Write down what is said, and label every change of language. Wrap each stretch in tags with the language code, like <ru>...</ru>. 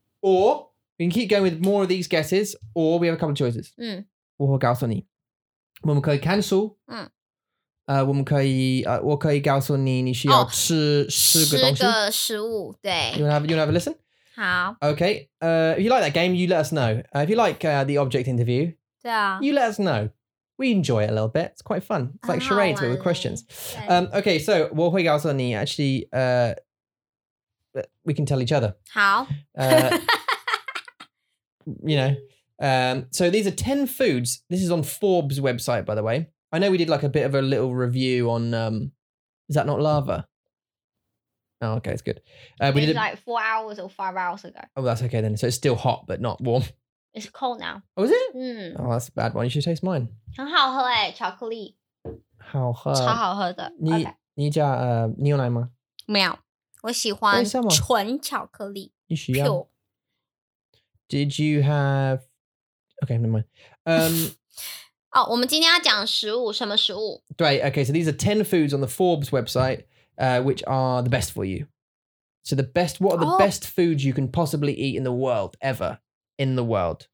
<en>Or, we can keep going with more of these guesses, or we have a couple of choices.</en> <zh>嗯。我会告诉你。我们可以 cancel. 嗯。我们可以我可以告诉你你需要吃十、 oh, 个东西。十个食物对。</zh> <en>You wanna have a listen?</en> <zh>好。</zh> <en>Okay, if you like that game, you let us know. If you like the object interview,</en> <zh>对啊。</zh> <en>You let us know. We enjoy it a little bit. It's quite fun. It's like charades with questions. Okay, so</en> <zh>我会告诉你</zh> <en>actually, we can tell each other.</en> <zh>好。</zh> <en>you know, so these are 10 foods. This is on Forbes website, by the way. I know we did like a bit of a little review on, is that not lava? Oh, okay, it's good. It was like 4 hours or 5 hours ago. Oh, that's okay then. So it's still hot, but not warm. It's cold now. Oh, is it? Mm. Oh, that's a bad one. You should taste mine.</en> <zh>很好喝耶、欸、巧克力。好喝。超好喝的。你加、</zh> <en>okay.</en> <zh>牛奶吗？没有。我喜欢纯巧克力。你需要。</zh> <en>Pure. Did you have... Okay, never mind.</en> <zh>Oh, 我们今天要讲食物，什么食物？</zh> <en>对 ，Okay, so these are 10 foods on the Forbes website, which are the best for you. So the best, what are the、oh. best foods you can possibly eat in the world ever? In the world,</en>